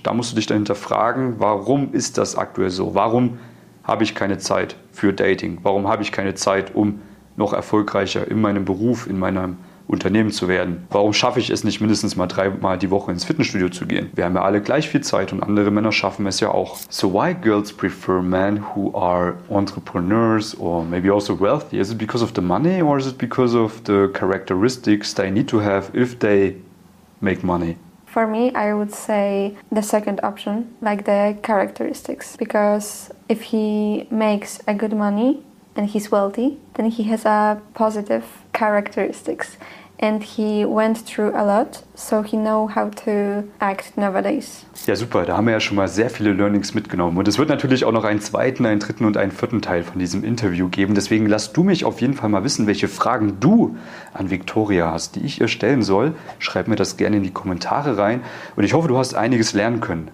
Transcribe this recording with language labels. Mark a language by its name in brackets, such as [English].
[German] Da musst du dich dahinter fragen, warum ist das aktuell so? Warum habe ich keine Zeit für Dating? Warum habe ich keine Zeit, um noch erfolgreicher in meinem Beruf, in meinem Unternehmen zu werden? Warum schaffe ich es nicht, mindestens mal dreimal die Woche ins Fitnessstudio zu gehen? Wir haben ja alle gleich viel Zeit und andere Männer schaffen es ja auch. [English] So why girls prefer men who are entrepreneurs or maybe also wealthy? Is it because of the money or is it because of the characteristics they need to have if they make money? For me, I would say the second option, like the characteristics. Because if he makes a good money and he's wealthy, then he has a positive characteristics and he went through a lot, so he know how to act nowadays. [German] Ja, super, da haben wir ja schon mal sehr viele Learnings mitgenommen und es wird natürlich auch noch einen zweiten, einen dritten und einen vierten Teil von diesem Interview geben. Deswegen lass du mich auf jeden Fall mal wissen, welche Fragen du an Victoria hast, die ich ihr stellen soll. Schreib mir das gerne in die Kommentare rein und ich hoffe, du hast einiges lernen können.